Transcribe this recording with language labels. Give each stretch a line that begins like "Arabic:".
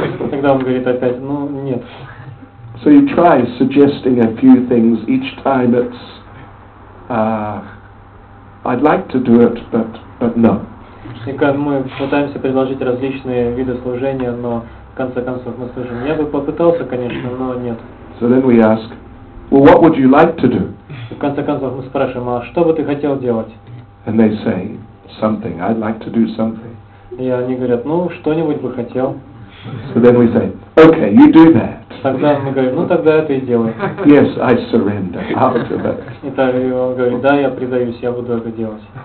Russian: Тогда он говорит опять, ну нет.
English: So you try suggesting a few things each time it's I'd like to do it, but no.
Russian: И как мы пытаемся предложить различные виды служения, но в конце концов мы слышим, я бы попытался, конечно, но нет.
English: So then we ask, well, what would you like to do?
Russian: И в конце концов мы спрашиваем, а что бы ты хотел делать?
English: And they say something. I'd like to do something.
Russian: И они говорят, ну что-нибудь бы хотел.
English: So then we say, okay, you do that.
Russian: Тогда мы говорим, ну тогда это и делай.
English: Yes, I surrender. I'll do that.
Russian: И так и он говорит, да, я предаюсь, я буду это делать.